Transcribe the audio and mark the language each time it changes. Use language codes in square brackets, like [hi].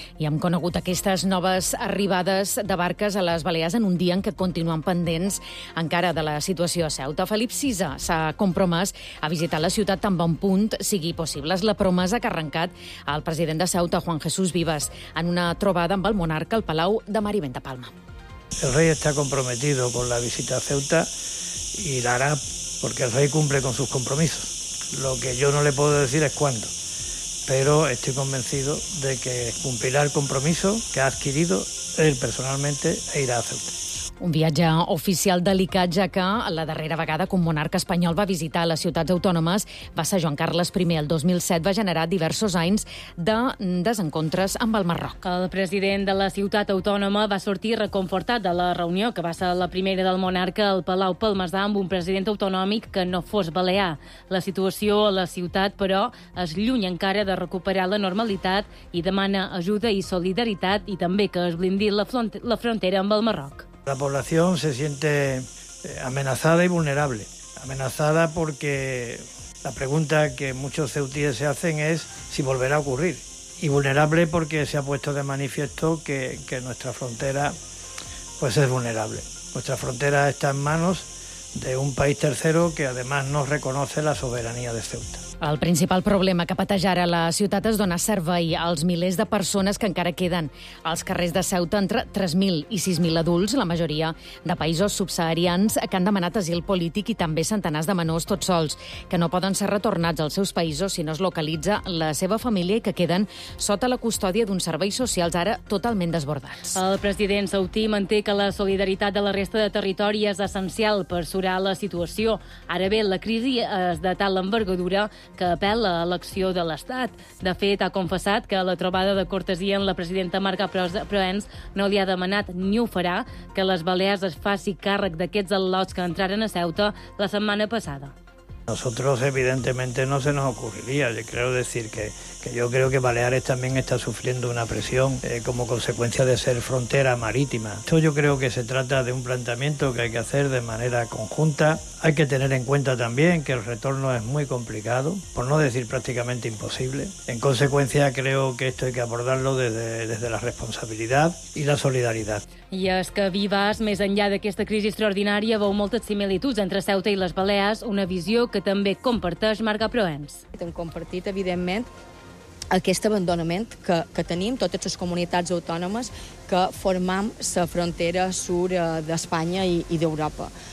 [ca] I hem conegut aquestes noves arribades de barques a les Balears en un dia en què continuen pendents encara de la situació a Ceuta. Felip Sisa s'ha compromès a visitar la ciutat tan bon punt sigui possible. És la promesa que ha arrencat el president de Ceuta, Juan Jesús Vives, en una trobada amb el monarca al Palau de Marivent de Palma. [es] El rey está comprometido con la visita a Ceuta y la hará porque el rey cumple con sus compromisos. Lo que yo no le puedo decir es cuándo, pero estoy convencido de que cumplirá el compromiso que ha adquirido él personalmente e irá a Ceuta. [ca] Un viatge oficial delicat, ja que la darrera vegada que un monarca espanyol va visitar les ciutats autònomes va ser Joan Carles I. El 2007 va generar diversos anys de desencontres amb el Marroc. El president de la ciutat autònoma va sortir reconfortat de la reunió, que va ser la primera del monarca al Palau Palmasà amb un president autonòmic que no fos balear. La situació a la ciutat, però, és lluny encara de recuperar la normalitat i demana ajuda i solidaritat i també que es blindi la frontera amb el Marroc. [es] La población se siente amenazada y vulnerable. Amenazada porque la pregunta que muchos ceutíes se hacen es si volverá a ocurrir. Y vulnerable porque se ha puesto de manifiesto que nuestra frontera pues es vulnerable. Nuestra frontera está en manos de un país tercero que además no reconoce la soberanía de Ceuta. [ca] El principal problema que pateix ara la ciutat es dona servei als milers de persones que encara queden als carrers de Ceuta, entre 3.000 i 6.000 adults, la majoria de països subsaharians, que han demanat asil polític, i també centenars de menors tots sols, que no poden ser retornats als seus països si no es localitza la seva família i que queden sota la custòdia d'uns serveis socials ara totalment desbordats. El president ceutí manté que la solidaritat de la resta de territori és essencial per surar la situació. Ara bé, la crisi és de tal envergadura que apel·la a l'acció de l'Estat. De fet, ha confessat que la trobada de cortesia amb la presidenta Marga Proens no li ha demanat, ni ho farà, que les Balears es faci càrrec d'aquests al·lots que entraren a Ceuta la setmana passada. [es] Nosotros, evidentemente, no se nos ocurriría. Yo creo decir que yo creo que Baleares también está sufriendo una presión como consecuencia de ser frontera marítima. Esto yo creo que se trata de un planteamiento que hay que hacer de manera conjunta. Hay que tener en cuenta también que el retorno es muy complicado, por no decir prácticamente imposible. En consecuencia, creo que esto hay que abordarlo desde la responsabilidad y la solidaridad. [ca] I és que Vives, més enllà d'aquesta crisi extraordinària, veu moltes similituds entre Ceuta i les Balears, una visió que també comparteix Marga Proens. Hem compartit, evidentment, aquest abandonament que tenim totes les comunitats autònomes que formam la frontera sud d'Espanya i d'Europa.